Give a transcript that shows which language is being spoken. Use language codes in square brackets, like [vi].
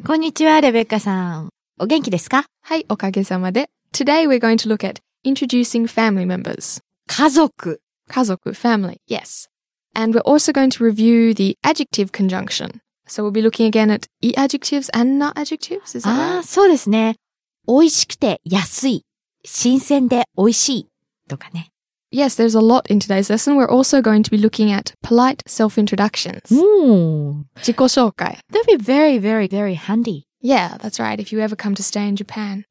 [ja] Konnichiwa, Rebecca-san. O genki desu ka? Hai, okagesama de. [en] Today we're going to look at introducing family members. [ja] Kazoku. [en] Kazoku, family, yes. And we're also going to review the adjective conjunction. So we'll be looking again at I adjectives and na adjectives, is that right? [ja] Ah, so desu ne. 美味しくて安い、新鮮で美味しいとかね。 [en] Yes, there's a lot in today's lesson. We're also going to be looking at polite self-introductions. Mm. [ja] 自己紹介。 [en] That'd be very, very, very handy. Yeah, that's right. If you ever come to stay in Japan.